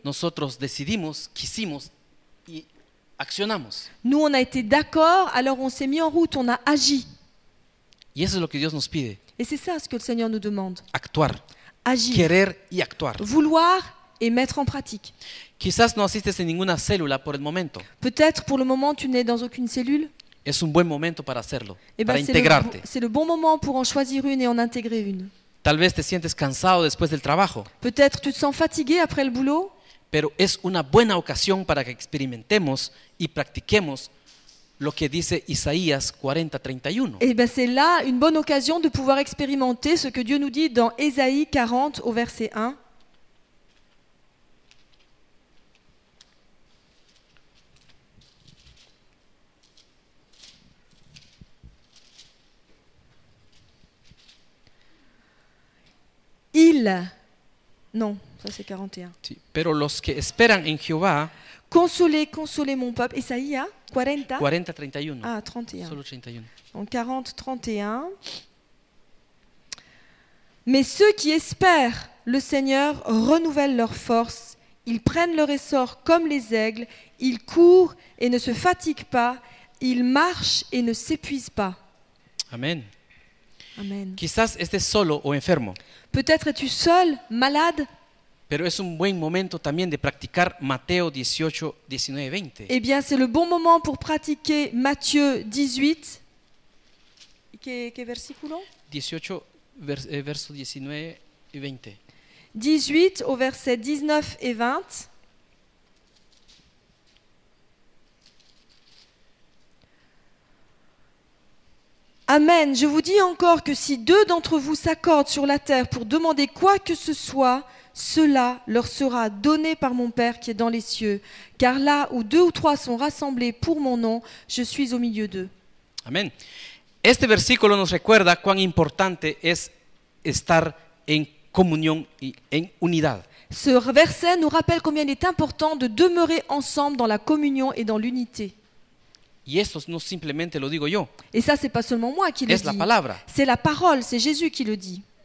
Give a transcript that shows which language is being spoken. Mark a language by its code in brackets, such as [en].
[es] nosotros decidimos, quisimos, y accionamos. [fr] Nous, on a été d'accord, alors on s'est mis en route, on a agi. [es] Y eso es lo que Dios nos pide. [fr] Et c'est ça ce que le Seigneur nous demande. [es] Actuar. [fr] Agir. [es] Querer y actuar. [fr] Vouloir et mettre en pratique. [es] Quizás no asistes en ninguna célula por el momento. [fr] Peut-être pour le moment tu n'es dans aucune cellule. [es] Es un buen momento para hacerlo, [fr] et [es] para integrarte. [fr] C'est le bon moment pour en choisir une et en intégrer une. [es] Tal vez te sientes cansado después del trabajo. [fr] Peut-être tu te sens fatigué après le boulot. [es] Pero es una buena ocasión para que experimentemos y practiquemos lo que dice Isaías 40:31. [fr] Et ben c'est là une bonne occasion de pouvoir expérimenter ce que Dieu nous dit dans Ésaïe 40 au verset 1. Non, ça c'est 41. [es] Pero los que esperan en Jehová, [fr] consolez, consolez mon peuple. Isaïe 40. 40:31. Ah, 31. [es] Solo 31. [fr] Donc 40:31. Mais ceux qui espèrent le Seigneur renouvellent leur force. Ils prennent leur essor comme les aigles. Ils courent et ne se fatiguent pas. Ils marchent et ne s'épuisent pas. Amen. Amen. [es] Quizás estés solo o enfermo. [fr] Peut-être es-tu seul, malade. [es] Pero es un buen momento también de practicar Mateo 18, 19, 20. [fr] Eh bien, c'est le bon moment pour pratiquer Matthieu 18. [es] ¿Qué versículo? 18, verso 19 y 20. [fr] 18 au verset 19 et 20. Amen. Je vous dis encore que si deux d'entre vous s'accordent sur la terre pour demander quoi que ce soit, cela leur sera donné par mon Père qui est dans les cieux. Car là où deux ou trois sont rassemblés pour mon nom, je suis au milieu d'eux. Amen. [es] Este versículo nos recuerda cuán importante es estar en comunión y en unidad. [fr] Ce verset nous rappelle combien il est important de demeurer ensemble dans la communion et dans l'unité. [es] Y esto no simplemente lo digo yo. [fr] Et ça, c'est pas seulement moi qui le dis. [es] Es la palabra. [fr] C'est la parole, c'est Jésus qui le dit.